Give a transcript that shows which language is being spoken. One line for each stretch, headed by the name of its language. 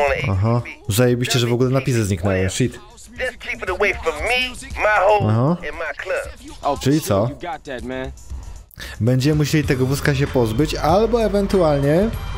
Polish: Aha, zajebiście, że w ogóle napisy zniknęły, shit.
English: Just keep it away from me, my home, and my club.
Polish: Czyli co? Będziemy musieli tego wózka się pozbyć, albo ewentualnie...